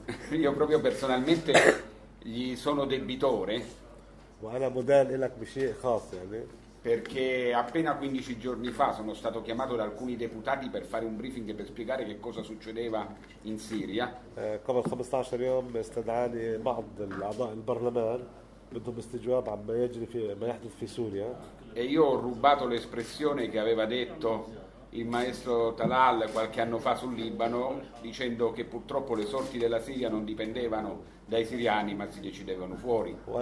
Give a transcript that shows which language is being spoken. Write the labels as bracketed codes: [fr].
[it] io proprio personalmente gli sono debitore. [ar] وأنا مدان لك بشيء خاص يعني. [it] Perché appena 15 giorni fa sono stato chiamato da alcuni deputati per fare un briefing per spiegare che cosa succedeva in Siria. [ar] قبل 15 يوم استدعاني بعض الأعضاء البرلمان بدهم استجواب عما يجري في ما يحدث في سوريا. [it] E io ho rubato l'espressione che aveva detto il maestro Talal qualche anno fa sul Libano, dicendo che purtroppo le sorti della Siria non dipendevano dai siriani ma si decidevano fuori.